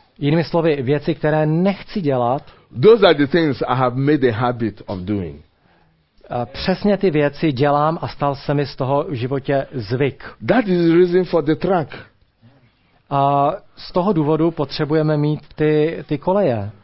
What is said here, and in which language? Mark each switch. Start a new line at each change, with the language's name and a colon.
Czech: Jinými slovy, věci, které nechci dělat.
English: Those are the things I have made a habit of doing.
Czech: Přesně ty věci dělám a stal se mi z toho v životě zvyk.
English: That is the reason for the track.
Czech: A z toho důvodu potřebujeme mít ty koleje.